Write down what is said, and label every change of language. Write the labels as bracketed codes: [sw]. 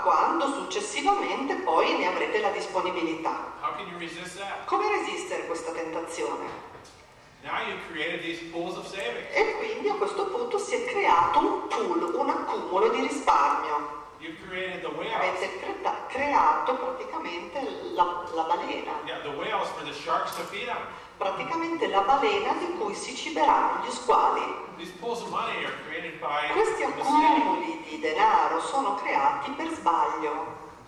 [it] A quando successivamente poi ne avrete la disponibilità. [en] How can you resist that? [it] Come resistere questa tentazione? [en] Now you created these pools of savings. [it] E quindi a questo punto si è creato un pool, un accumulo di risparmio. [en] You've created the whales. [it] Avete creato praticamente la balena. [en] Yeah, the whales for the sharks to feed on. [it] Praticamente la balena di cui si ciberanno gli squali. [en] These pools of money are created by [it] questi accumuli di denaro sono creati per sbaglio.